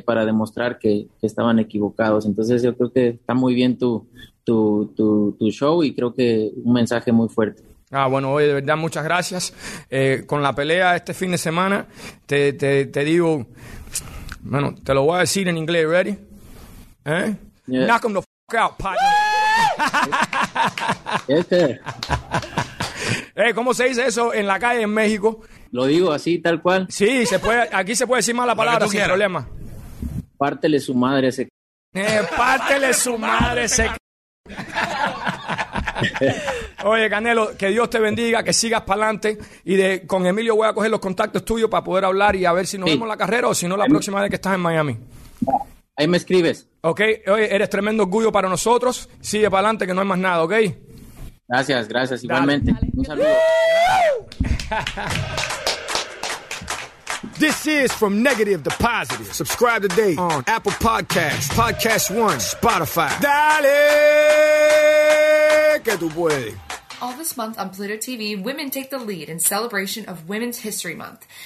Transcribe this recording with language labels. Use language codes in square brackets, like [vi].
[es] Para demostrar que estaban equivocados. Entonces yo creo que está muy bien tu show y creo que un mensaje muy fuerte. Ah, bueno, oye, de verdad, muchas gracias. Con la pelea este fin de semana, te digo, bueno, te lo voy a decir en inglés, ¿ready? [en] ¿Eh? Yes. Knock him the fuck out, partner. [es] ¿Cómo se dice eso en la calle en México? Lo digo así, tal cual. Sí, se puede. Aquí se puede decir mala palabra sin problema. Pártele su madre ese. Pártele su madre ese. Oye, Canelo, que Dios te bendiga, que sigas para adelante. Y con Emilio voy a coger los contactos tuyos para poder hablar y a ver si nos vemos la carrera o si no la próxima vez que estás en Miami. Ahí me escribes. Ok, oye, eres tremendo orgullo para nosotros. Sigue para adelante, que no hay más nada, ¿ok? Gracias, gracias, igualmente. Dale. Un saludo. [en] This is From Negative to Positive. Subscribe today on Apple Podcasts, Podcast One, Spotify. [es] Dale, que tú puedes. [en] All this month on Pluto TV, women take the lead in celebration of Women's History Month.